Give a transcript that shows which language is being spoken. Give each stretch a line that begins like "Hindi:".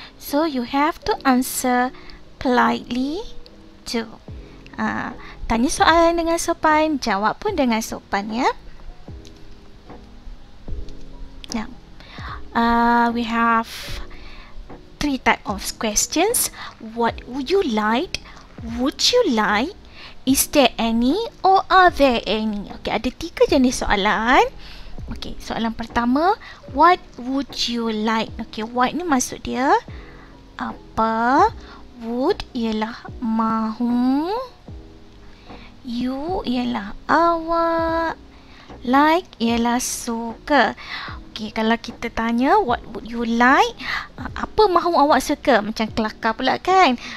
English: So, you have to answer politely too.
Malay: Tanya soalan dengan sopan, jawab pun dengan sopan ya.
English: We have three types of questions. What would you like? Would you like? Is there any or are there any?
Malay: Okay, ada tiga jenis soalan. Okay, soalan pertama,
English: what would you like?
Malay: Okay, what ni maksud dia apa? Would ialah mahu, you ialah awak, like ialah suka. Okay, kalau kita tanya
English: what would you like,
Malay: apa mahu awak suka, macam kelakar pula kan.